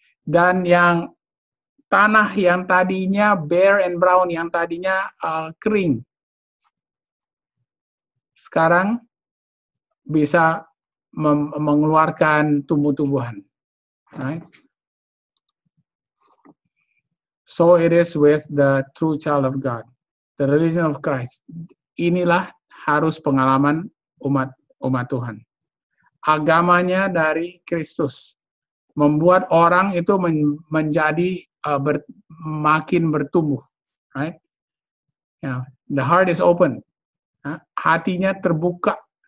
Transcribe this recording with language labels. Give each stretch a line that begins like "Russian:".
Indonesian: Dan yang tanah yang tadinya
English: bare and brown,
Indonesian: yang tadinya kering, sekarang bisa mengeluarkan tumbuh-tumbuhan. Right?
English: So it is with the true child of God, the religion of Christ.
Indonesian: Inilah harus pengalaman umat Tuhan. Agamanya dari Kristus membuat orang itu menjadi makin bertumbuh,
English: right? Yeah. The heart is open.
Indonesian: Hatinya terbuka.